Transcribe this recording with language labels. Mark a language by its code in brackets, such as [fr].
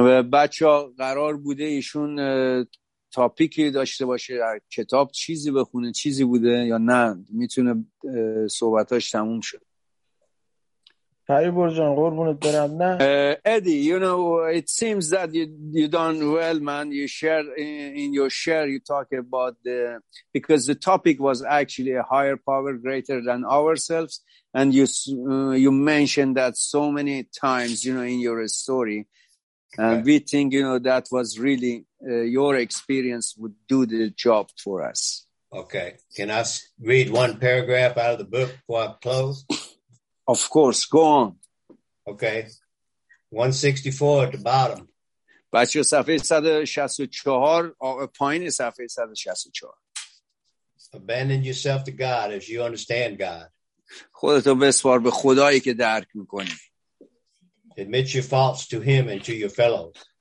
[fa] بچه قرار بوده ایشون تاپیکی داشته باشه، کتاب چیزی بخونه، چیزی بوده یا نه میتونه صحبتاش تموم شد. فریبر جان قربونت برم. نه [en] Eddie, you know it seems that you done well man, you share in your share you talk about the, because the topic was actually a higher power greater than ourselves and you mentioned that so many times, you know, in your story. And okay. We think, you know, that was really your experience would do the job for us. Okay. Can I read one paragraph out of the book before I close? Of course. Go on. Okay. 164 at the bottom. [fa] بچه صفحه 164 پایین صفحه 164. [en] Abandon yourself to God as you understand God. [fa] خودتو بسپار به خدایی که درک میکنی. [en] Admit your faults to him and to your fellows.